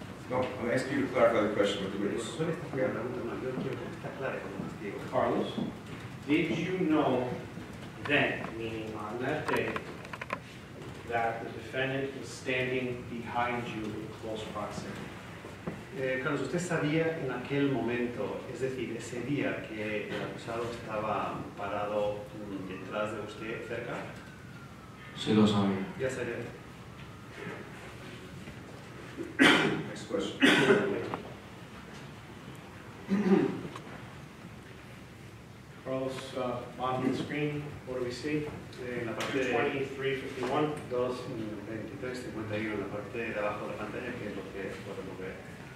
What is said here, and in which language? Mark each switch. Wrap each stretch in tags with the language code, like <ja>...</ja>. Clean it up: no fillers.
<en>No, I'm going to ask you to clarify the question with the witness. Carlos, did you know then, meaning on that day, that the defendant was standing behind you in close proximity.</en> <es>Carlos, usted sabía en aquel momento, es decir, ese día que el acusado estaba parado detrás de usted, cerca? Sí, lo sabía. Ya sabía.</es> <en>Next question. Carlos, on the screen, what do we see?</en> <es>En la parte 2351 en la parte de abajo de la pantalla, que es lo que podemos ver.</es>